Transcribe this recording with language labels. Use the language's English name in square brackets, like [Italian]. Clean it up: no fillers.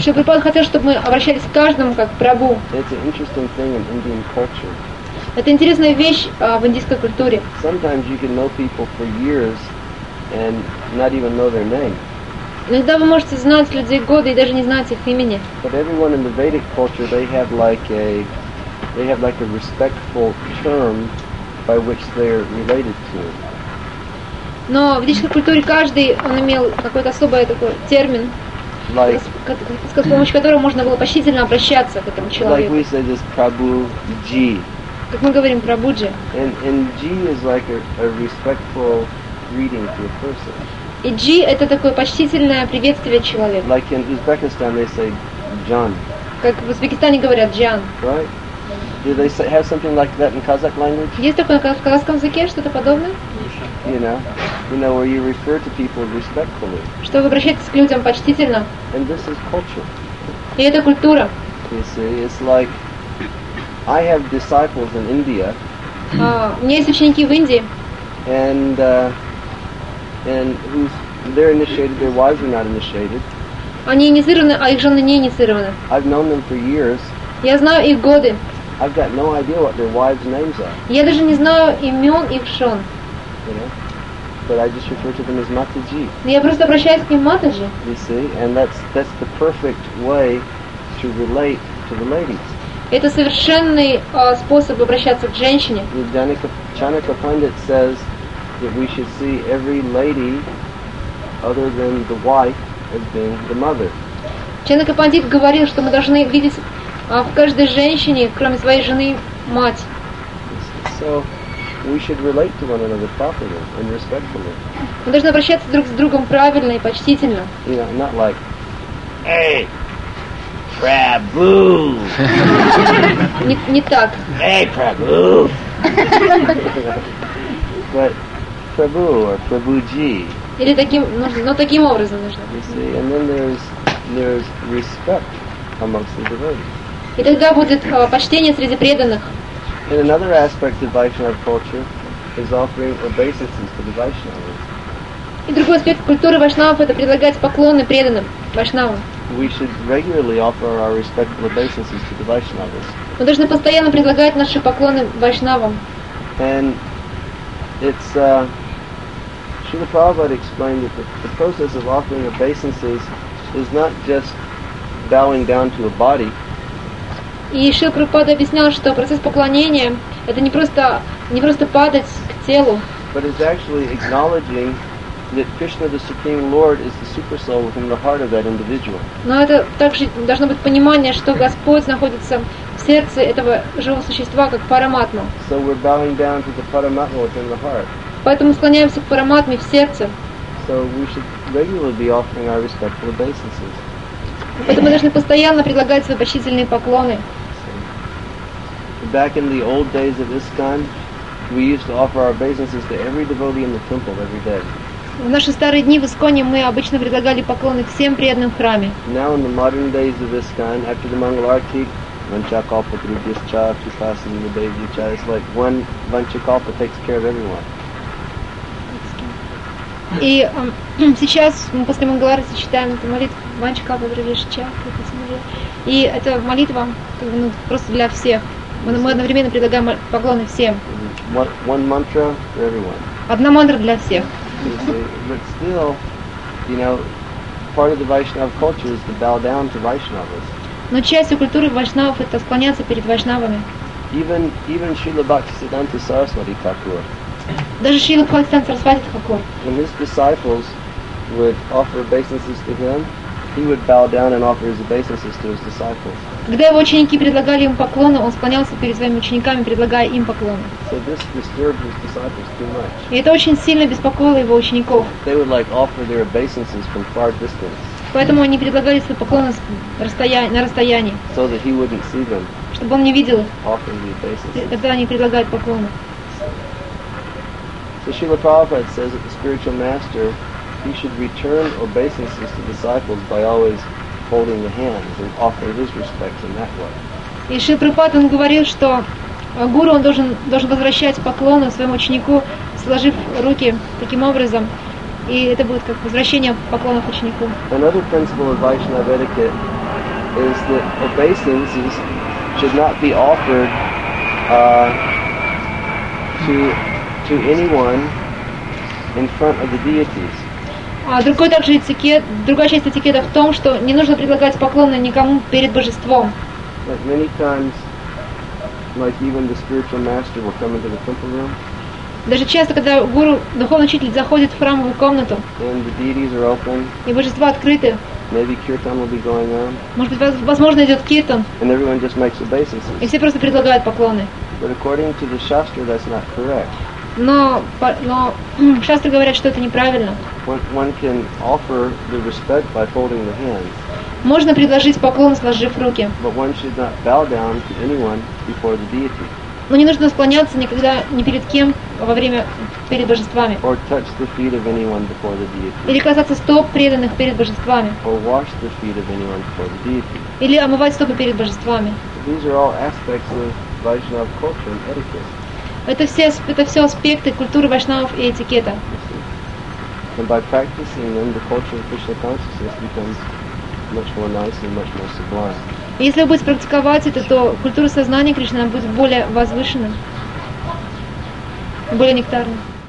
[Russian] Шри Прабхупада хотел, чтобы мы обращались к каждому как к Прабху. [English] It's an interesting thing in Indian culture. [Russian] Это интересная вещь в индийской культуре. [English] Sometimes you can know people for years and not even know their name. [Russian] Иногда вы можете знать людей годы и даже не знать их имени. [English] But everyone in the Vedic culture, they have like a respectful term by which they're related to. [Russian] Но в ведической культуре каждый, он имел какой-то особый такой термин, [English] like, [Russian] с помощью которого можно было почтительно обращаться к этому человеку. [English] Like we say this Prabhuji. [Russian] Как мы говорим Прабуджи. [English] And G is like a respectful greeting to a person. [Russian] И G это такое почтительное приветствие человеку. [English] Like in Uzbekistan they say Jan. [Russian] Как в Узбекистане говорят Джан. [English] Right? Do they say, have something like that in Kazakh language? [Russian] Есть такое в казахском языке что-то подобное? [English] You know, where you refer to people respectfully. [Russian] Что вы обращаетесь к людям почтительно? [English] And this is culture. [Russian] И это культура. [English] You see, it's like I have disciples in India. [Russian] У меня есть ученики в Индии. [English] And who's they're initiated? Their wives are not initiated. [Russian] Они инициированы, а их жены не инициированы. [English] I've known them for years. [Russian] Я знаю их годы. [English] I've got no idea what their wives' names are. [Russian] Я даже не знаю имен их жен. [English] You know, but I just refer to them as Mataji. [Russian] Я просто обращаюсь к ним Матаджи. [English] You see, and that's the perfect way to relate to the ladies. [Russian] Это совершенный способ обращаться к женщине. [English] Chanaka Pandit says that we should see every lady other than the wife as being the mother. [Russian] Chanaka Pandit говорил, что мы должны видеть в каждой женщине, кроме своей жены, мать. [English] So we should relate to one another properly and respectfully. [Russian] Мы должны обращаться друг с другом правильно и почтительно. [English] You know, not like, hey, Prabhu. [Russian] Не так. [English] Hey, Prabhu. But Prabhu or Prabhuji. [Russian] Или таким, но таким образом нужно. [English] You see, and then there's respect amongst the devotees. [Russian] И тогда будет почтение среди преданных. [English] And another aspect of Vaishnava culture is offering obeisances to the Vaishnavas. [Russian] И другой аспект культуры вайшнавов это предлагать поклоны преданным вайшнавам. [English] We should regularly offer our respectful obeisances to the Vaishnavas. [Russian] Мы должны постоянно предлагать наши поклоны вайшнавам. [English] And it's Srila Prabhupada explained that the process of offering obeisances is not just bowing down to a body. [Russian] И Шрила Прабхупада объяснял, что процесс поклонения — это не просто падать к телу. [English] But it's actually acknowledging that Krishna, the Supreme Lord, is the super soul within the heart of that individual. [Russian] Но это также должно быть понимание, что Господь находится в сердце этого живого существа, как Параматма. [English] So we're bowing down to the Paramatma within the heart. [Russian] Поэтому склоняемся к Параматме в сердце. [English] So we should regularly be offering our respectful obeisances. [Russian] Поэтому мы должны постоянно предлагать свои почтительные поклоны. [English] Back in the old days of ISKCON, we used to offer our obeisances to every devotee in the temple every day. [Russian] В наши старые дни в ИСККОНе мы обычно предлагали поклоны всем преданным в храме. [English] Now in the modern days of ISKCON, after the Mangalarti, Vanchakalpa, Drubhyascha, Tupasana, Nibedyascha, it's like one Vanchakalpa takes care of everyone. [Russian] И сейчас мы после Мангаларти читаем эту молитву Ванчакалпа Дравишча, и это молитва просто для всех. Мы одновременно предлагаем поклоны всем. [English] One mantra for everyone. [Russian] Одна мантра для всех. [English] But still, you know, part of the Vaishnava culture is to bow down to Vaishnavas. [Russian] Но частью культуры вайшнавов это склоняться перед вайшнавами. [English] Even Srila Bhaktisiddhanta Saraswati Thakur. [Russian] Даже Шрила Бхактисиддханта Сарасвати Тхакур. [English] When his disciples would offer obeisances to him, he would bow down and offer his obeisances to his disciples. [Russian] Когда его ученики предлагали ему поклоны, он склонялся перед своими учениками, предлагая им поклоны. [English] So this disturbed his disciples too much. [Russian] И это очень сильно беспокоило его учеников. [English] They would like offer their obeisances from far distance. [Russian] Поэтому они предлагали свои поклоны на расстоянии. [English] So that he wouldn't see them. [Russian] Чтобы он не видел их. [English] Offering the obeisances. [Russian] Когда они предлагают поклоны. [English] So Srila Prabhupada says that the spiritual master, he should return obeisances to disciples by always holding the hands and offering his respects in that way. [Russian] И Шрила Прабхупада, он говорил, что гуру, он должен возвращать поклоны своему ученику, сложив руки таким образом, и это будет как возвращение поклонов ученику. [English] Another principle of Vaishnava etiquette is that obeisances should not be offered to anyone in front of the deities. [Russian] Другой также этикет, другая часть этикета в том, что не нужно предлагать поклоны никому перед божеством. [English] Like many times, like even the spiritual master will come into the temple room. [Russian] Даже часто, когда гуру, духовный учитель заходит в храмовую комнату, [English] and the deities are open, [Russian] и божества открыты, [English] Maybe kirtan will be going on. [Russian] Может быть, возможно, идет киртан. [English] And everyone just makes obeisances. [Russian] И все просто предлагают поклоны. [English] But according to the shastra, that's not correct. [Russian] Но шастры говорят, что это неправильно. [English] One can offer the respect by folding the hands. [Russian] Можно предложить поклон, сложив руки. [English] But one should not bow down to anyone before the deity. [Russian] Но не нужно склоняться никогда ни перед кем во время перед божествами. [English] Or touch the feet of anyone before the deity. [Russian] Или касаться стоп преданных перед божествами. [English] Or wash the feet of anyone before the deity. [Russian] Или омывать стопы перед божествами. [English] These are all aspects of Vaishnava culture and etiquette. [Russian] Это все аспекты культуры вайшнавов и этикета. [English] And by practicing them, the culture of Krishna consciousness becomes much more nice and much more sublime. [Russian] Если вы будете практиковать это, то культура сознания Кришны будет более возвышенной, более нектарной.